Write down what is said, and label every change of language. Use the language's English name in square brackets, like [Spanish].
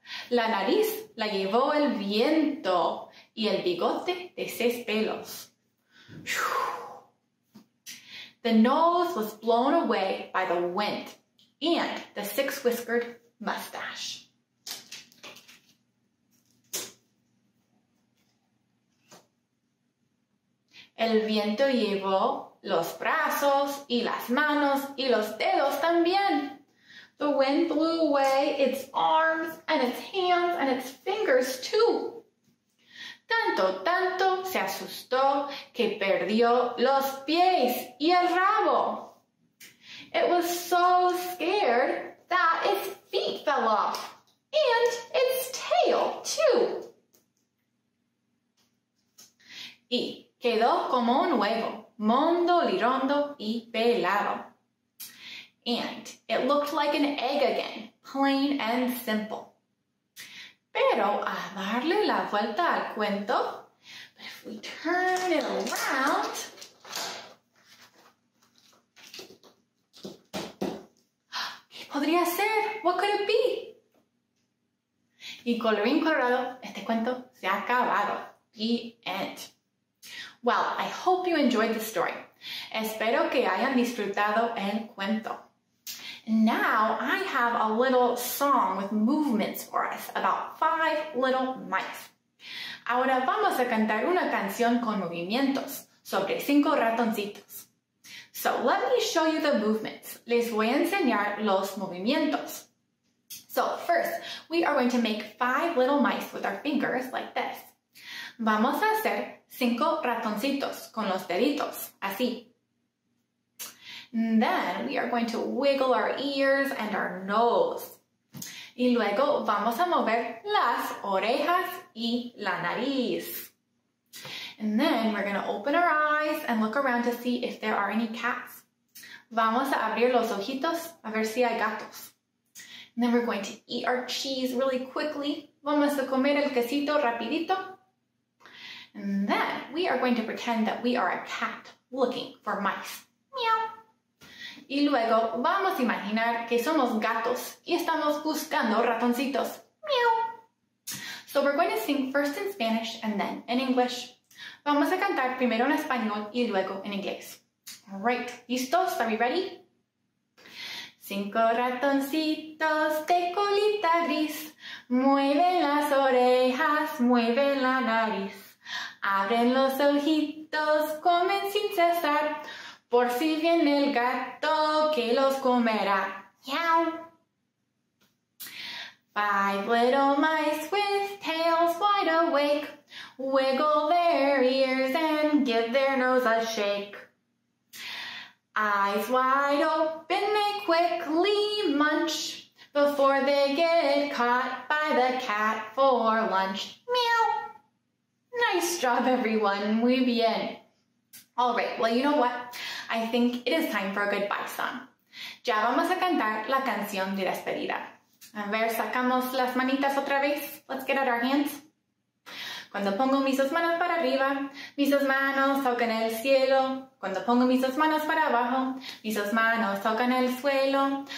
[Spanish] La nariz la llevó el viento y el bigote de seis pelos. [English] The nose was blown away by the wind and the six-whiskered mustache. [Spanish] El viento llevó los brazos y las manos y los dedos también. [English] The wind blew away its arms and its hands and its fingers too. [Spanish] Tanto, tanto se asustó que perdió los pies y el rabo. [English] It was so scared that its feet fell off and its tail too. [Spanish] Y quedó como un huevo, mondo, lirondo y pelado. [English] And it looked like an egg again, plain and simple. [Spanish] Pero a darle la vuelta al cuento, [English] but if we turn it around, [Spanish] ¿qué podría ser? [English] What could it be? [Spanish] Y colorín colorado, este cuento se ha acabado. [English] The end. Well, I hope you enjoyed the story. [Spanish] Espero que hayan disfrutado el cuento. [English] Now, I have a little song with movements for us about five little mice. [Spanish] Ahora vamos a cantar una canción con movimientos sobre cinco ratoncitos. [English] So, let me show you the movements. [Spanish] Les voy a enseñar los movimientos. [English] So, first, we are going to make five little mice with our fingers like this. [Spanish] Vamos a hacer cinco ratoncitos con los deditos, así. [English] Then we are going to wiggle our ears and our nose. [Spanish] Y luego vamos a mover las orejas y la nariz. [English] And then we're going to open our eyes and look around to see if there are any cats. [Spanish] Vamos a abrir los ojitos a ver si hay gatos. [English] And then we're going to eat our cheese really quickly. [Spanish] Vamos a comer el quesito rapidito. [English] And then we are going to pretend that we are a cat looking for mice. Meow. [Spanish] Y luego vamos a imaginar que somos gatos y estamos buscando ratoncitos. Meow. [English] So we're going to sing first in Spanish and then in English. [Spanish] Vamos a cantar primero en español y luego en inglés. [English] All right, [Spanish] listos? [English] Are we ready? [Spanish] Cinco ratoncitos de colita gris. Mueven las orejas, mueven la nariz. Abren los ojitos, comen sin cesar. Por si viene el gato que los comerá. Meow. [English] Five little mice with tails wide awake. Wiggle their ears and give their nose a shake. Eyes wide open they quickly munch. Before they get caught by the cat for lunch. Meow. Nice job everyone. [Spanish] Muy bien. [English] All right, well, you know what? I think it is time for a goodbye song. [Spanish] Ya vamos a cantar la canción de despedida. A ver, sacamos las manitas otra vez. [English] Let's get out our hands. [Spanish] Cuando pongo mis dos manos para arriba, mis dos manos tocan el cielo. Cuando pongo mis dos manos para abajo, mis dos manos tocan el suelo.